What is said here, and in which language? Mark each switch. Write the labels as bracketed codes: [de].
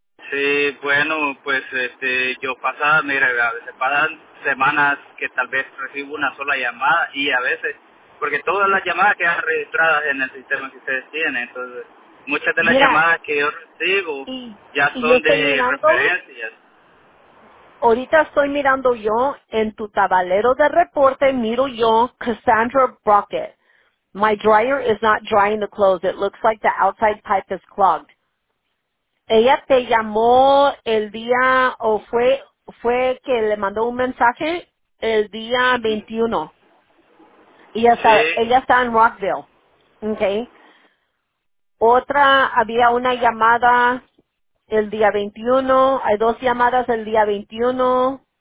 [es] Sí, bueno, pues yo pasaba, mira, a veces pasan semanas que tal vez recibo una sola llamada, y a veces, porque todas las llamadas quedan registradas en el sistema que ustedes tienen, entonces... Muchas de las llamadas que yo recibo ya son de referencias. Ahorita estoy mirando yo en tu tabalero de reporte, miro yo Cassandra Brockett. [en] My dryer is not drying the clothes. It looks like the outside pipe is clogged. [es] Ella te llamó el día, o fue que le mandó un mensaje el día 21. Y hasta, sí. Ella está en Rockville. Okay. Otra, había una llamada el día 21, hay dos llamadas el día 21.